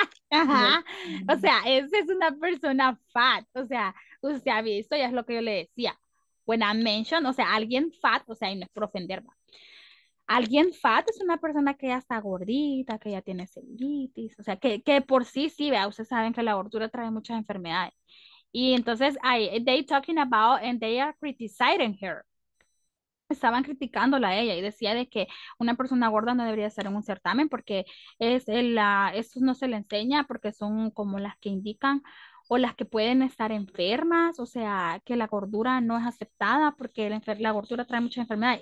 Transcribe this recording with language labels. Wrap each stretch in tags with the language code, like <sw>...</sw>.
<es>Ajá. O sea, esa es una persona fat. O sea, usted ha visto, ya es lo que yo le decía.</es> <en>When I mention,</en> <es>o sea, alguien fat, o sea, y no es por ofender, ¿va? Alguien fat es una persona que ya está gordita, que ya tiene celulitis, o sea, que por sí, vea, ustedes saben que la gordura trae muchas enfermedades. Y entonces,</es> <en>they talking about and they are criticizing her.</en> <es>Estaban criticándola a ella y decía de que una persona gorda no debería estar en un certamen porque es eso no se le enseña porque son como las que indican o las que pueden estar enfermas, o sea, que la gordura no es aceptada porque la gordura trae muchas enfermedades.</es>